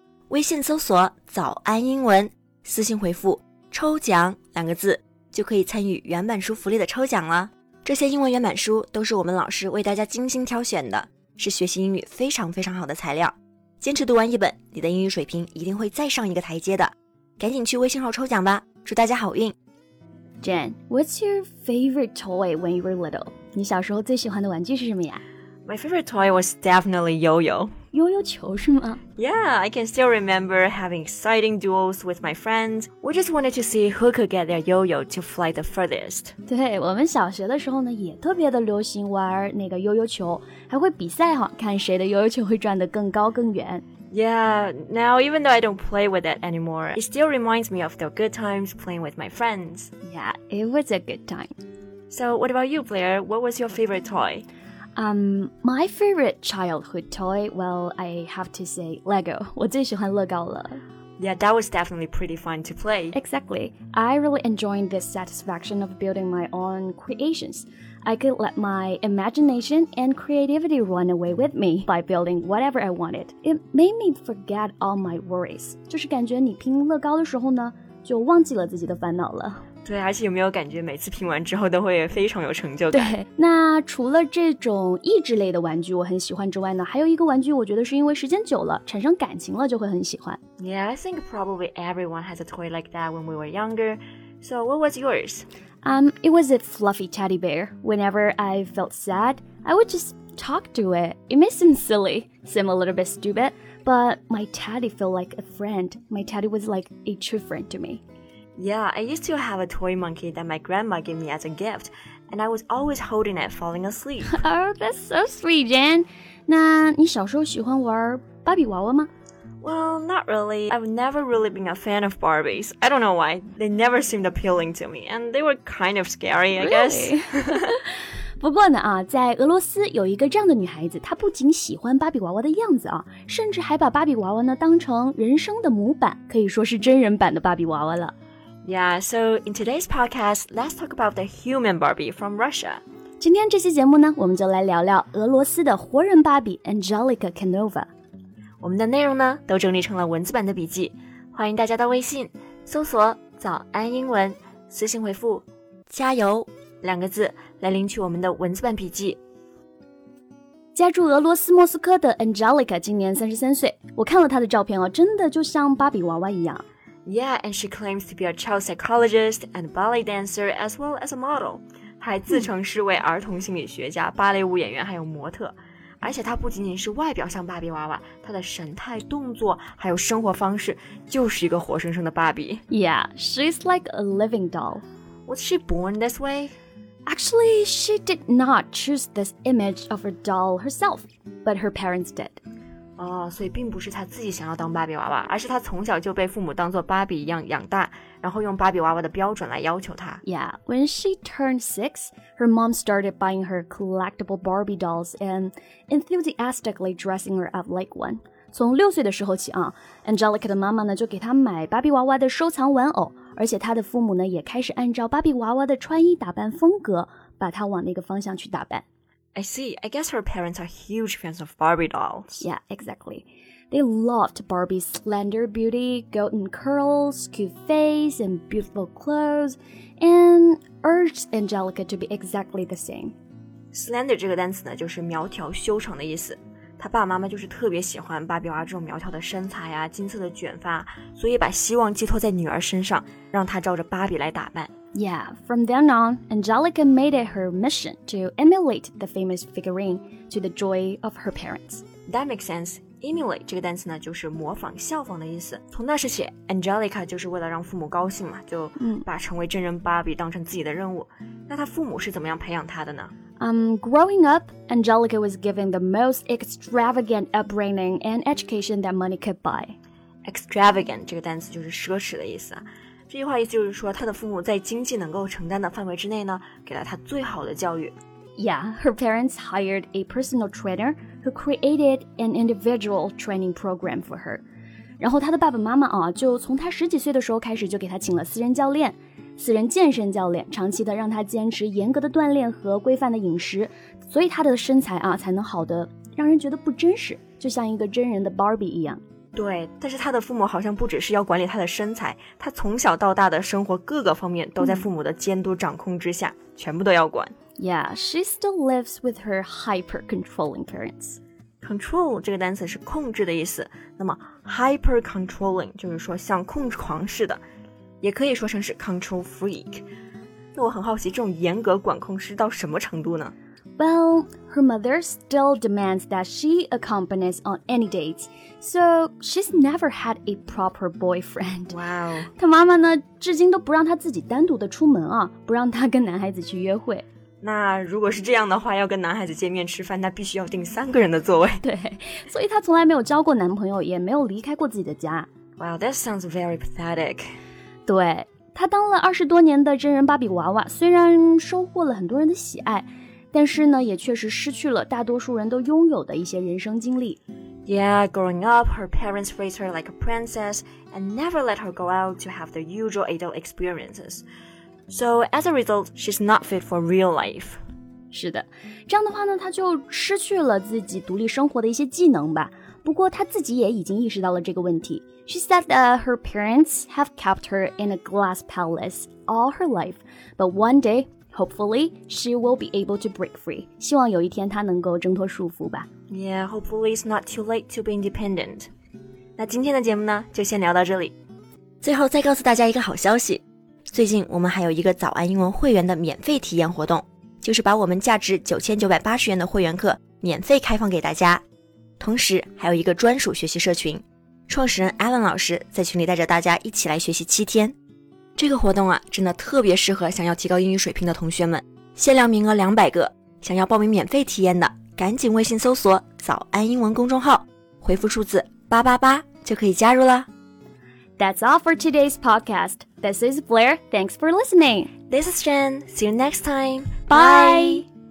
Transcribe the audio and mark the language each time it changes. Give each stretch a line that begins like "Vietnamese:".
Chinese: 微信搜索早安英文，私信回复抽奖两个字，就可以参与原版书福利的抽奖了。这些英文原版书都是我们老师为大家精心挑选的，是学习英语非常非常好的材料。坚持读完一本，你的英语水平一定会再上一个台阶的。赶紧去微信号抽奖吧，祝大家好运。
English: Jen, what's your favorite toy when you were little?
Chinese: 你小时候最喜欢的玩具是什么呀？
English: My favorite toy was definitely yo-yo.
Chinese: Yo-yo 球是吗？
English: Yeah, I can still remember having exciting duels with my friends. We just wanted to see who could get their yo-yo to fly the furthest.
Chinese: 对，我们小学的时候呢，也特别的流行玩那个yo-yo球，还会比赛哈，看谁的yo-yo球会转得更高更远。
English: Yeah, now even though I don't play with it anymore, it still reminds me of the good times playing with my friends. Yeah, it was a good time. So what about you, Blair? What was your favorite toy? My favorite childhood toy, well, I have to say Lego.
Chinese: 我最喜欢乐高了。
English: Yeah, that was definitely pretty fun to play. Exactly. I really enjoyed the satisfaction of building my own creations. I could let my imagination and creativity run away with me by building whatever I wanted. It made me forget all my worries.
Chinese: 就是感觉你拼乐高的时候呢，就忘记了自己的烦恼了。对，而且有没有感觉每次拼完之后都会非常有成就感？对，那除了这种益智类的玩具我很喜欢之外呢，还有一个玩具我觉得是因为时间久了产生感情了就会很喜欢。
English: Yeah, I think probably everyone has a toy like that when we were younger. So what was yours? It was a fluffy teddy bear. Whenever I felt sad, I would just talk to it. It may seem silly, seem a little bit stupid, but my teddy felt like a friend. My teddy was like a true friend to me Yeah, I used to have a toy monkey that my grandma gave me as a gift, and I was always holding it, falling asleep. Oh, that's so sweet, Jen.
Chinese: 那你小时候喜欢玩芭比娃娃吗？
English: Well, not really. I've never really been a fan of Barbies. I don't know why. They never seemed appealing to me, and they were kind of scary, I guess. Really?
Chinese: 不过呢，在俄罗斯有一个这样的女孩子，她不仅喜欢芭比娃娃的样子，甚至还把芭比娃娃呢当成人生的模板，可以说是真人版的芭比娃娃了。
English: Yeah, so in today's podcast, let's talk about the human Barbie from Russia.
Chinese: 今天这期节目呢，我们就来聊聊俄罗斯的活人芭比 Angelica Canova. 我们的内容呢，都整理成了文字版的笔记，欢迎大家到微信搜索“早安英文”，私信回复“加油”两个字来领取我们的文字版笔记。家住俄罗斯莫斯科的 Angelica 今年33岁，我看了她的照片哦，真的就像芭比娃娃一样。
English: Yeah, and she claims to be a child psychologist and ballet dancer as well as a model.
Chinese: 还自称是位儿童心理学家、芭蕾舞演员还有模特。而且她不仅仅是外表像芭比娃娃，她的神态、动作还有生活方式就是一个活生生的芭比。
English: Yeah, she's like a living doll. Was she born this way? Actually, she did not choose this image of a doll herself, but her parents did.
Chinese: 哦，所以并不是她自己想要当芭比娃娃，而是她从小就被父母当作芭比一样养大，然后用芭比娃娃的标准来要求她。
English: Yeah, when she turned 6, her mom started buying her collectible Barbie dolls and enthusiastically dressing her up like one.
Chinese: 从六岁的时候起啊 ，Angelica 的妈妈呢就给她买芭比娃娃的收藏玩偶，而且她的父母呢也开始按照芭比娃娃的穿衣打扮风格，把她往那个方向去打扮。
English: I see. I guess her parents are huge fans of Barbie dolls. Yeah, exactly. They loved Barbie's slender beauty, golden curls, cute face, and beautiful clothes, and urged Angelica to be exactly the same.
Chinese: Slender 这个单词呢，就是苗条修长的意思。她爸爸妈妈就是特别喜欢芭比娃娃这种苗条的身材啊，金色的卷发，所以把希望寄托在女儿身上，让她照着芭比来打扮。
English: Yeah, from then on, Angelica made it her mission to emulate the famous figurine to the joy of her parents. That makes sense.
Chinese: Emulate 这个单词呢，就是模仿、效仿的意思。从那时起 ，Angelica 就是为了让父母高兴嘛，就把成为真人芭比当成自己的任务。那她父母是怎么样培养她的呢？
English: Growing up, Angelica was given the most extravagant upbringing and education that money could buy.
Chinese: Extravagant 这个单词就是奢侈的意思啊。这句话意思就是说，她的父母在经济能够承担的范围之内呢，给了她最好的教育。
English: Yeah, her parents hired a personal trainer who created an individual training program for her.
Chinese: 然后她的爸爸妈妈啊，就从她十几岁的时候开始就给她请了私人教练，私人健身教练，长期的让她坚持严格的锻炼和规范的饮食，所以她的身材啊才能好得让人觉得不真实，就像一个真人的 Barbie 一样。对，但是他的父母好像不只是要管理他的身材，他从小到大的生活各个方面都在父母的监督掌控之下，全部都要管。
English: Yeah, she still lives with her hyper-controlling parents.
Chinese: Control 这个单词是控制的意思，那么 hyper-controlling 就是说像控制狂似的，也可以说成是 control freak. 那我很好奇，这种严格管控是到什么程度呢？
English: Well, her mother still demands that she accompanies on any dates, so she's never had a proper boyfriend. Wow.
Chinese: 她妈妈呢，至今都不让她自己单独的出门啊，不让她跟男孩子去约会。那如果是这样的话，要跟男孩子见面吃饭，那必须要订三个人的座位。对，所以她从来没有交过男朋友，也没有离开过自己的家。
English: Wow, that sounds very pathetic.
Chinese: 对，她当了20多年的真人芭比娃娃，虽然收获了很多人的喜爱，但是呢，也确实失去了大多数人都拥有的一些人生经历。
English: Yeah, growing up, her parents raised her like a princess and never let her go out to have the usual adult experiences. So as a result, she's not fit for real life.
Chinese: 是的，这样的话呢，她就失去了自己独立生活的一些技能吧。不过她自己也已经意识到了这个问题。
English: She said that her parents have kept her in a glass palace all her life, but one day,Hopefully, she will be able to break free.
Chinese: 希望有一天她能够挣脱束缚吧。
English: Yeah, hopefully it's not too late to be independent.
Chinese: 那今天的节目呢，就先聊到这里。最后再告诉大家一个好消息，最近我们还有一个早安英文会员的免费体验活动，就是把我们价值9980元的会员课免费开放给大家。同时还有一个专属学习社群，创始人 Alan 老师在群里带着大家一起来学习7天。这个活动啊，真的特别适合想要提高英语水平的同学们，限量名额200个，想要报名免费体验的，赶紧微信搜索早安英文公众号，回复数字888就可以加入了。
English: That's all for today's podcast. This is Blair, thanks for listening. This is Jen, see you next time. Bye!